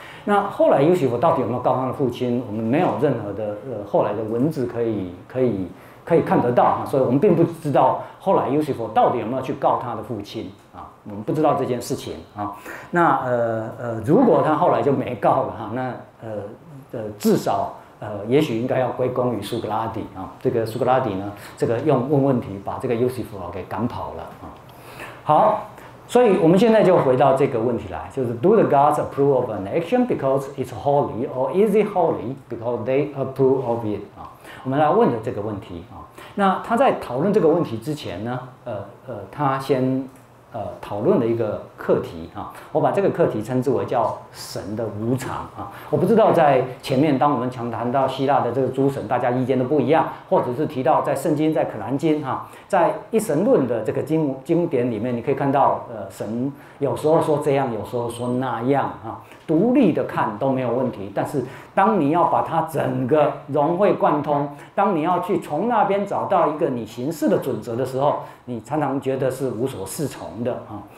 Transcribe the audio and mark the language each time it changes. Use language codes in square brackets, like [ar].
[zh] 那后来 Lucifer 到底有没有告他的父亲，我们没有任何的后来的文字可以看得到，所以我们并不知道后来 Lucifer 到底有没有去告他的父亲啊，我们不知道这件事情啊。那如果他后来就没告了，那至少也许应该要归功于苏格拉底啊。这个苏格拉底呢，这个用问问题把这个 Lucifer 给赶跑了啊。 [en] 好，所以我们现在就回到这个问题来，就是 Do the gods approve of an action because it's holy, or is it holy because they approve of it？ [zh] 我们来问的这个问题啊，那他在讨论这个问题之前呢，他先讨论了一个课题啊，我把这个课题称之为叫神的无常啊。我不知道在前面当我们强谈到希腊的这个诸神，大家意见都不一样，或者是提到在圣经，在可兰经哈，在一神论的这个经典里面，你可以看到神有时候说这样，有时候说那样啊，独立的看都没有问题，但是当你要把它整个融会贯通，当你要去从那边找到一个你行事的准则的时候，你常常觉得是无所适从的啊。